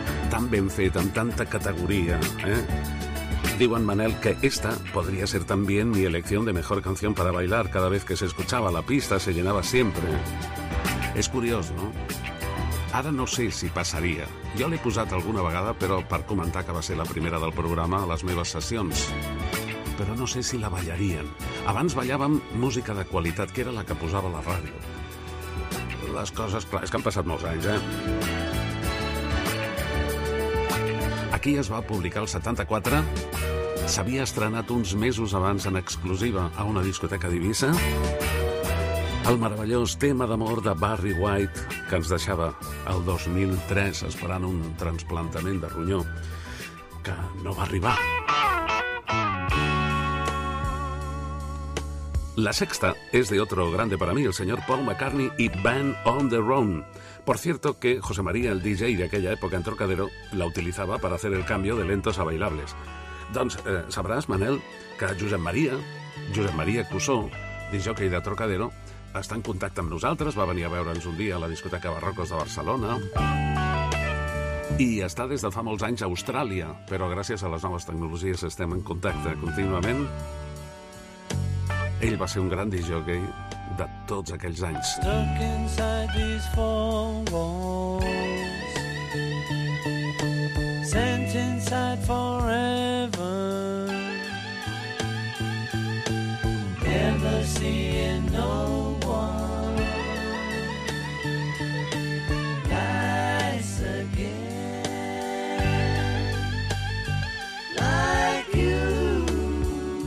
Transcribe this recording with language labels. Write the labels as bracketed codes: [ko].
[ca] Tan ben fet, amb tanta categoria, eh? Diuen, [es] Manel, que esta podría ser también mi elección de mejor canción para bailar. Cada vez que se escuchaba la pista se llenaba siempre. [ca] És curiós, no? Ara no sé si passaria. Jo l'he posat alguna vegada, però per comentar que va ser la primera del programa a les meves sessions. Però no sé si la ballarien. Abans ballàvem música de qualitat, que era la que posava la ràdio. Les coses, clar, és que han passat molts anys, eh? Aquí es va publicar el 74. S'havia estrenat uns mesos abans en exclusiva a una discoteca d'Eivissa. El meravellós tema d'amor de Barry White, que ens deixava el 2003 esperant un trasplantament de ronyó, que no va arribar. [es] La Sexta es de otro grande para mí, el señor Paul McCartney y Band on the Run. Por cierto que José María, el DJ de aquella época en Trocadero, la utilizaba para hacer el cambio de lentos a bailables. [ca] Doncs sabràs, Manel, que Josep Maria Cusó, DJ de Trocadero, està en contacte amb nosaltres, va venir a veure'ns un dia a la discoteca Barrocos de Barcelona i està des de fa molts anys a Austràlia, però gràcies a les noves tecnologies estem en contacte contínuament. Ell va ser un gran DJ de tots aquells anys. [en] Stuck inside these four walls, sent inside forever, never seeing no one nice again like you.